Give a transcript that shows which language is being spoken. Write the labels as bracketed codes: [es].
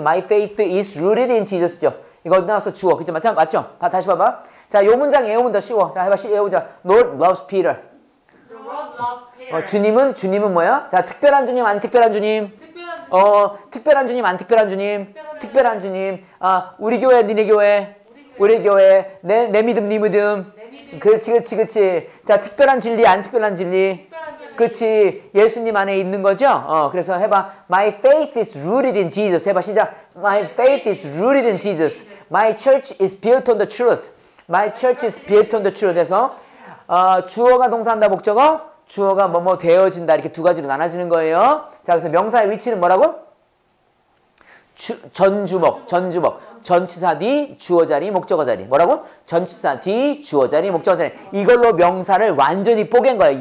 [en] My faith is rooted in Jesus죠. [ko] 이거 어디 나왔어? 주어. 그지? 맞죠? 맞죠? 다시 봐봐. 자, 요 문장 외우면 더 쉬워. 자, 해봐. 외우자. [en] Lord loves Peter. The Lord loves Peter. [ko] 주님은 뭐야? 자, 특별한 주님, 안 특별한 주님. 특별한 주님, 안 특별한 주님. 특별한 주님. 아, 우리 교회, 니네 교회. 우리 교회. 내 믿음, 네 믿음. 그렇지, 그렇지, 그렇지. 자, 특별한 진리, 안 특별한 진리. 그렇지. 예수님 안에 있는 거죠? 그래서 해봐. [en] My faith is rooted in Jesus. [ko] 해봐, 시작. [en] My faith is rooted in Jesus. My church is built on the truth. My church is built on the truth. [ko] 그래서 주어가 동사한다, 목적어. 주어가 뭐뭐 되어진다. 이렇게 두 가지로 나눠지는 거예요. 자, 그래서 명사의 위치는 뭐라고? 전주목, 전주목. 전치사 뒤, 주어 자리, 목적어 자리. 뭐라고? 전치사 뒤, 주어 자리, 목적어 자리. 이걸로 명사를 완전히 뽀갠 거예요.